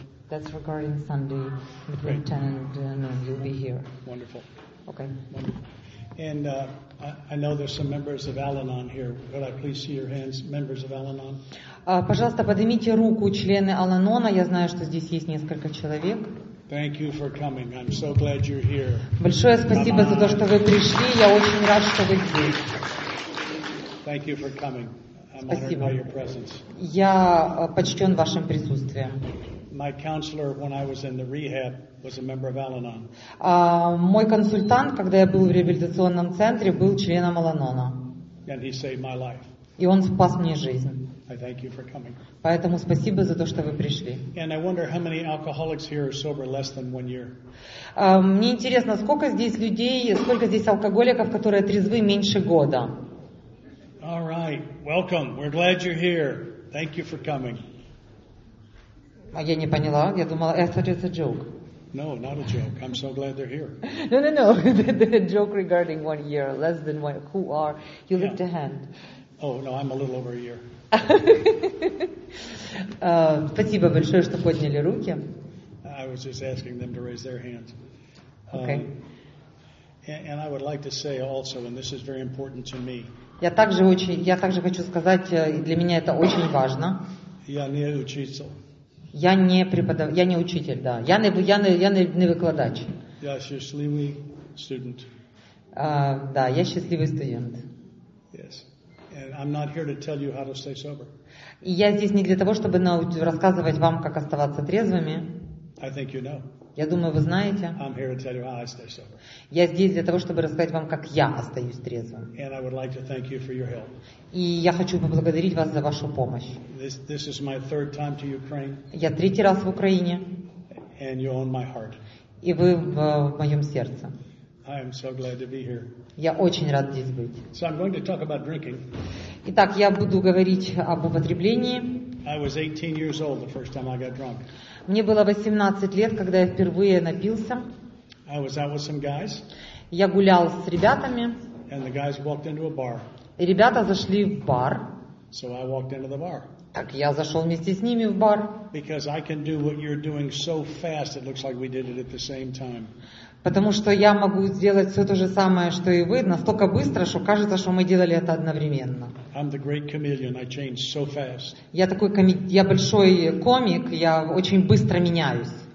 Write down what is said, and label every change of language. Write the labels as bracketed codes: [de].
[en] That's regarding Sunday between 10 and noon. You'll be here. Wonderful. Okay. And I know there's some members of Al-Anon here. Could I please see your hands, members of Al-Anon? [ru] Пожалуйста, поднимите руку, члены Аланона. Я знаю, что здесь есть несколько человек. [en] Thank you for coming. I'm so glad you're here. [ru] Большое спасибо за то, что вы пришли. Я очень рад, что вы здесь. [en] Thank you for coming. I'm [ru] спасибо. [en] Honored by your presence. [ru] Я почтен вашим присутствием. [en] My counselor when I was in the rehab was a member of Al-Anon. [ru] Мой консультант, когда я был в реабилитационном центре, был членом Аланона. [en] And he saved my life. [ru] И он спас мне жизнь. [en] I thank you for coming. [ru] Поэтому спасибо за то, что вы пришли. [en] And I wonder how many alcoholics here are sober less than one year. [ru] Мне интересно, сколько здесь людей, сколько здесь алкоголиков, которые трезвы меньше года. [en] All right. Welcome. We're glad you're here. Thank you for coming. [ru] А я не поняла. Я думала, это [en] just a joke. No, not a joke. I'm so glad they're here. No. The joke regarding one year, less than one. Who are you? Yeah. Lift a hand. Oh no, I'm a little over a year. [ru] Спасибо большое, что подняли руки. [en] I was just asking them to raise their hands. Okay. And I would like to say also, and this is very important to me. [ru] Я также хочу сказать, и для меня это очень важно. Я не учился. Я не преподаватель, я не учитель, да. Я не выкладач. Я счастливый студент. Да, я счастливый студент. [en] Yes. And I'm not here to tell you how to stay sober. [ru] И я здесь не для того, чтобы рассказывать вам, как оставаться трезвыми. [en] I think you know. [ru] Я думаю, вы знаете. [en] I'm here to tell you how I stay sober. [ru] Я здесь для того, чтобы рассказать вам, как я остаюсь трезвым. [en] And I would like to thank you for your help. [ru] И я хочу поблагодарить вас за вашу помощь. [en] This is my third time to Ukraine. [ru] Я третий раз в Украине. [en] And you own my heart. [ru] И вы в моем сердце. [en] I am so glad to be here. [ru] Я очень рад здесь быть. [en] So I'm going to talk about drinking. [ru] Итак, я буду говорить об употреблении. [en] I was 18 years old the first time I got drunk. [ru] Мне было 18 лет, когда я впервые напился. [en] I was out with some guys. [ru] Я гулял с ребятами. [en] And the guys walked into a bar. [ru] И ребята зашли в бар. [en] So I walked into the bar. [ru] Так я зашел вместе с ними в бар. [en] Because I can do what you're doing so fast, it looks like we did it at the same time. [ru] Потому что я могу сделать все то же самое, что и вы, настолько быстро, что кажется, что мы делали это одновременно. [en] I'm the great chameleon. I change so fast. [ru] Я такой я большой комик, я очень быстро меняюсь.